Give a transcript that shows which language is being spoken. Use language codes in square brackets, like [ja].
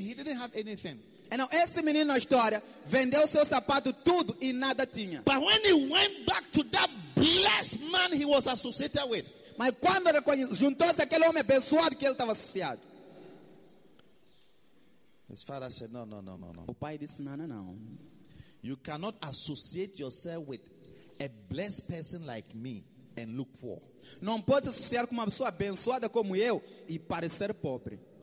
[en] He didn't have anything. [pt] Então, esse menino na história vendeu seu sapato tudo e nada tinha. [en] But when he went back to that blessed man he was associated with. [pt] Mas quando juntou-se aquele homem abençoado que ele estava associado. [en] His father said, no. [pt] O pai disse, não. [en] You cannot associate yourself with a blessed person like me and look poor. [pt] Não pode associar com uma pessoa abençoada como eu e parecer pobre.